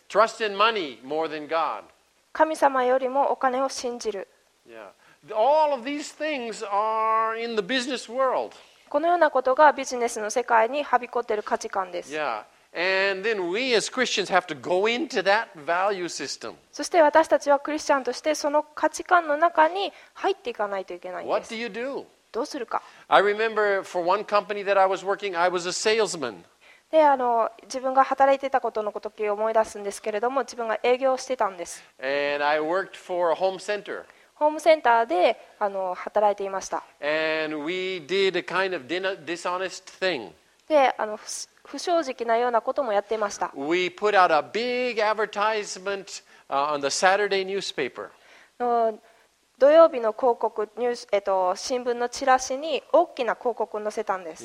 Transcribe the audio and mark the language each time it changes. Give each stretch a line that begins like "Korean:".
English: Trust in money more than God.
Japanese: 神様よりもお金を信じる。
English: All of these things are in the business world.
Japanese: このようなことがビジネスの世界にはびこっている価値観です。
English: Yeah. And then we as Christians have to go into that value system.
Japanese: そして私たちはクリスチャンとしてその価値観の中に入っていかないといけないんです。
English: What do you do?
Japanese: どうするか。
English: I remember for one company that I was working, I was a salesman.
Japanese: で、自分が働いてたことの時を思い出すんですけれども、自分が営業してたんです。
English: And I worked for a home center.
Japanese: ホームセンターで働いていました。
English: And we did a kind of dishonest thing.
Japanese: で、不正直なようなこともやっていました。
English: We put out a big advertisement on the Saturday newspaper.
Japanese: 土曜日の広告ニュース、新聞のチラシに大きな広告を載せたんです。